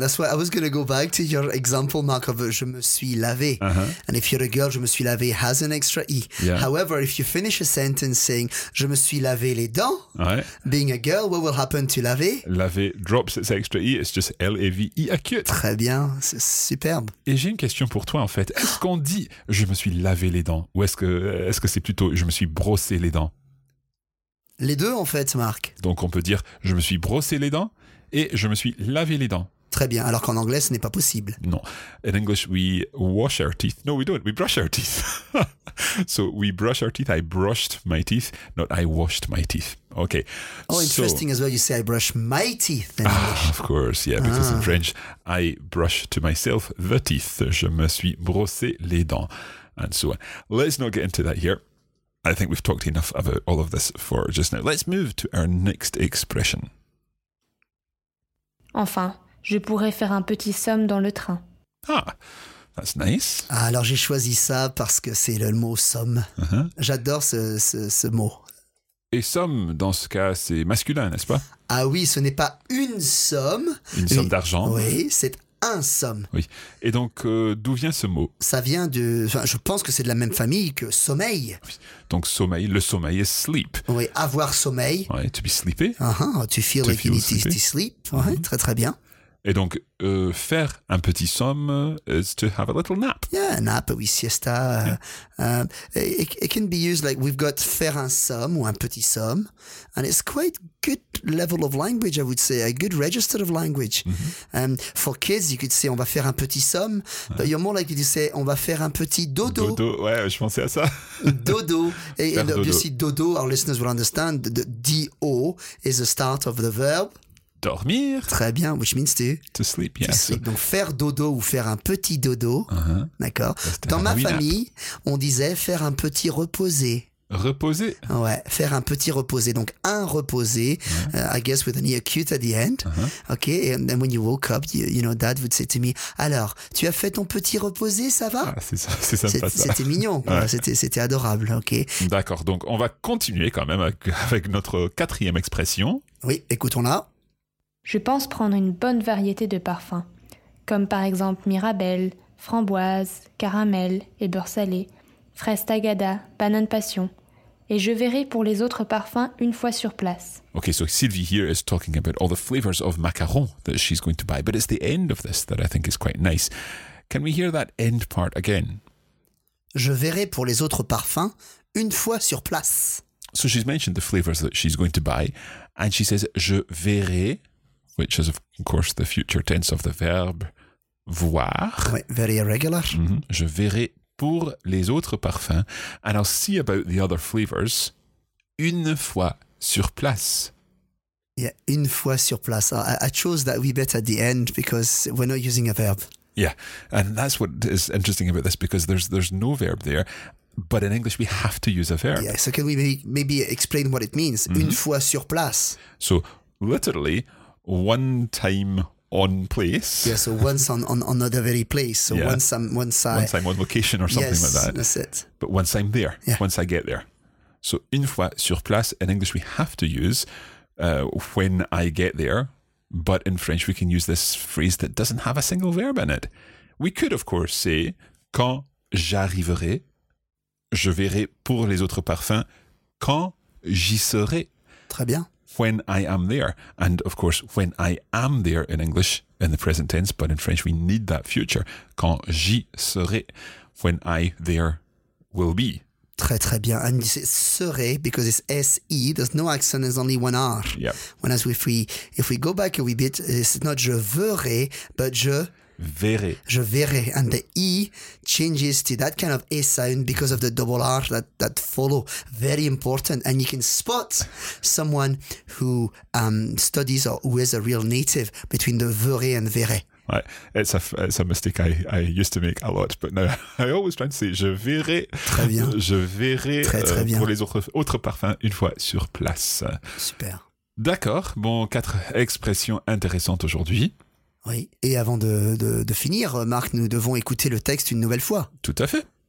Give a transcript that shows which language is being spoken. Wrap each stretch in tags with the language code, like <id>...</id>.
<en>That's why I was going to go back to your example, Mark, of</en> <fr>je me suis lavé. Uh-huh.</fr> <en>And if you're a girl,</en> <fr>je me suis lavé</fr> <en>has an extra E. Yeah. However, if you finish a sentence saying</en> <fr>je me suis lavé les dents,</fr> <en>right, being a girl, what will happen to lavé? Lavé drops its extra E. It's just L-A-V-E acute.</en> <fr>Très bien. C'est superbe. Et j'ai une question pour toi, en fait. Est-ce qu'on dit je me suis lavé les dents ou est-ce que c'est plutôt je me suis brossé les dents? Les deux, en fait, Marc. Donc, on peut dire « je me suis brossé les dents » et « je me suis lavé les dents ». Très bien, alors qu'en anglais, ce n'est pas possible. Non.</fr> <en>In English, we wash our teeth. No, we don't. We brush our teeth. So, we brush our teeth. I brushed my teeth, not I washed my teeth. Okay. Oh, interesting as well. You say I brush my teeth in English. Of course, yeah. Because in French, I brush to myself the teeth.</en> <fr>Je me suis brossé les dents.</fr> <en>And so on. Let's not get into that here. I think we've talked enough about all of this for just now. Let's move to our next expression.</en> <fr>Enfin, je pourrais faire un petit somme dans le train.</fr> <en>Ah, that's nice.</en> <fr>Alors j'ai choisi ça parce que c'est le mot somme. Uh-huh. J'adore ce mot. Et somme, dans ce cas, c'est masculin, n'est-ce pas? Ah oui, ce n'est pas une somme. Une somme d'argent. Oui, c'est un somme. Oui. Et donc, d'où vient ce mot? Ça vient de... Enfin, je pense que c'est de la même famille que sommeil. Oui. Donc, sommeil, le sommeil est sleep. Oui, avoir sommeil.</fr> <en>Oui, to be sleepy. Uh-huh. To feel to like feel you sleepy. Need to sleep.</en> <fr>Uh-huh. Oui, très très bien. Et donc, faire un petit somme</fr> <en>is to have a little nap. Yeah, a nap, oui, siesta. Yeah. It can be used like we've got</en> <fr>faire un somme ou un petit somme.</fr> <en>And it's quite good level of language, I would say, a good register of language. Mm-hmm. For kids, you could say</en> <fr>on va faire un petit somme.</fr> <en>Ouais. But you're more likely to say</en> <fr>on va faire un petit dodo. Dodo, ouais, je pensais à ça. Dodo.</fr> <en>And dodo. Obviously, dodo, our listeners will understand, the D-O is the start of the verb.</en> <fr>Dormir. Très bien,</fr> <en>which means to... To sleep, yes. To sleep.</en> <fr>Donc faire dodo ou faire un petit dodo, uh-huh. D'accord. Dans ma famille, on disait faire un petit reposé. Reposé. Ouais, faire un petit reposé. Donc un reposé, uh-huh.</fr> <en>I guess with an E acute at the end. Uh-huh. Okay, and then when you woke up, you know, dad would say to me,</en> <fr>alors, tu as fait ton petit reposé, ça va? Ah, c'est sympa, c'était, ça. C'était mignon, ouais. C'était adorable, ok. D'accord, donc on va continuer quand même avec notre quatrième expression. Oui, écoutons-la. Je pense prendre une bonne variété de parfums, comme par exemple mirabelle, framboise, caramel et beurre salé, fraise tagada, banane passion. Et je verrai pour les autres parfums une fois sur place.</fr> <en>Okay, so Sylvie here is talking about all the flavors of macaron that she's going to buy, but it's the end of this that I think is quite nice. Can we hear that end part again?</en> <fr>Je verrai pour les autres parfums une fois sur place.</fr> <en>So she's mentioned the flavors that she's going to buy, and she says, je verrai... Which is, of course, the future tense of the verb voir. Oui, very irregular. Mm-hmm.</en> <fr>Je verrai pour les autres parfums.</fr> <en>And I'll see about the other flavors</en> <fr>une fois sur place.</fr> <en>Yeah,</en> <fr>une fois sur place.</fr> <en>I chose that wee bit at the end because we're not using a verb. Yeah, and that's what is interesting about this because there's no verb there. But in English, we have to use a verb. Yeah, so can we maybe explain what it means? Mm-hmm.</en> <fr>Une fois sur place.</fr> <en>So literally... One time on place. Yeah, so once on another very place. So yeah. Once I'm on location or something yes, like that. That's it. But once I'm there, yeah. Once I get there. So,</en> <fr>une fois sur place,</fr> <en>in English we have to use when I get there. But in French, we can use this phrase that doesn't have a single verb in it. We could, of course, say,</en> <fr>quand j'arriverai, je verrai pour les autres parfums, quand j'y serai. Très bien.</fr> <en>When I am there. And, of course, when I am there in English, in the present tense, but in French, we need that future.</en> <fr>Quand j'y serai,</fr> <en>when I there will be.</en> <fr>Très, très bien.</fr> <en>And you say serai, because it's S-E, there's no accent, there's only one R. Yep. Whereas if we go back a wee bit, it's not je verrai, but je...</en> <fr>Verrai. Je verrai.</fr> <en>And the E changes to that kind of A sound because of the double R that follow. Very important. And you can spot someone who studies or who is a real native between the verrai and verrai. Right. It's a mistake I used to make a lot, but now I always try to say je verrai.</en> <fr>Très bien. Je verrai très bien. Pour les autres parfums une fois sur place. Super. D'accord. Bon, quatre expressions intéressantes aujourd'hui. Oui, et avant de finir, Marc, nous devons écouter le texte une nouvelle fois. Tout à fait.</fr>